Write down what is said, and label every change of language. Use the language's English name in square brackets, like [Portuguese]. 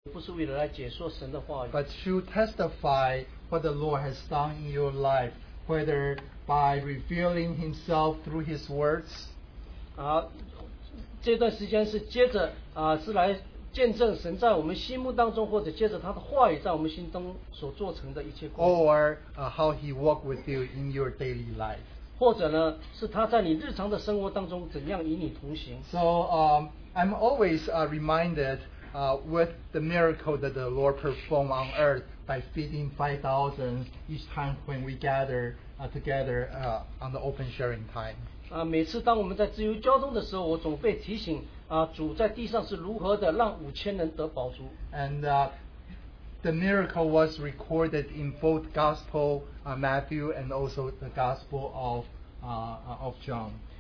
[English] But to testify what the Lord has done in your life, whether by revealing Himself through His words, [Chinese] 这段时间是接着是来见证神在我们心目当中，或者接着他的话语在我们心中所做成的一切。 [English] Or how He walked with you in your daily life. [Chinese] 或者呢，是他在你日常的生活当中怎样与你同行。 [English] So I'm always reminded with the miracle that the Lord performed on earth by feeding 5,000 each time when we gather together on the open sharing time. [Chinese] 每次当我们在自由交通的时候，我总被提醒。主在地上是如何的让5,000人得饱足。 [English] And the miracle was recorded in both Gospel Matthew and also the Gospel of John.